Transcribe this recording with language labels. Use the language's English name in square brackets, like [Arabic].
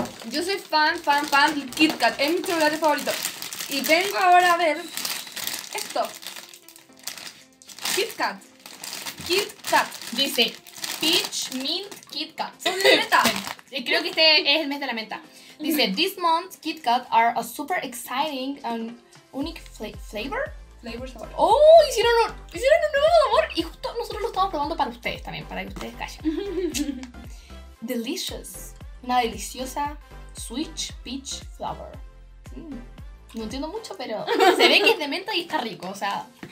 [Spanish] Yo soy fan del Kit Kat, es mi chocolate favorito. Y vengo ahora a ver esto. Kit Kat. Dice Peach Mint Kit Kat. ¿Son de menta? Sí. Creo que este es el mes de la menta. Dice, [English] this month Kit Kat are a super exciting and unique flavor. [Spanish] Flavor sabor. Oh, hicieron un nuevo sabor. Y justo nosotros lo estamos probando para ustedes también, para que ustedes callen. [English] Delicious. [Spanish] Una deliciosa Switch Peach Flower. No entiendo mucho, pero se ve que es de menta y está rico, o sea...